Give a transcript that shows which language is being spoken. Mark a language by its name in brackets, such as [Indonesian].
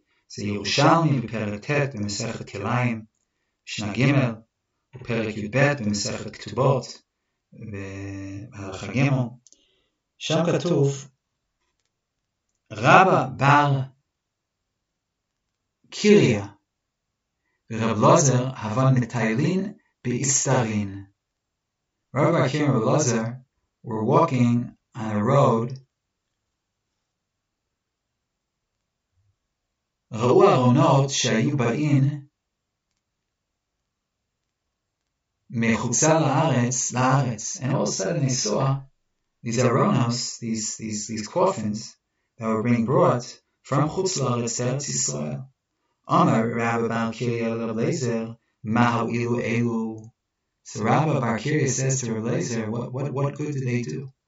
[Hebrew] זה ירושלמי בפרק ט' במסכת כלאיים, שנה ג', ופרק י"ב במסכת כתובות, בהלכה ג', שם כתוב, רבא בר קיריה ורב לוזר הוון מטיילין באיסטרין. [English] רבא בר קיריה ורב לוזר were walking on a road. [Hebrew] ראו ארונות שהיו באין מחוצה לארץ. [English] And all of a sudden they saw these aronos, these coffins that were being brought from Chutz L'Aretz to Eretz Yisrael. [Hebrew] Amar Rabbi Bar Kiriya Rabbi Lezer, Mahu Ilu Elu. [English] So Rabbi Bar Kiriya says to Rabbi Lezer, what good do they do?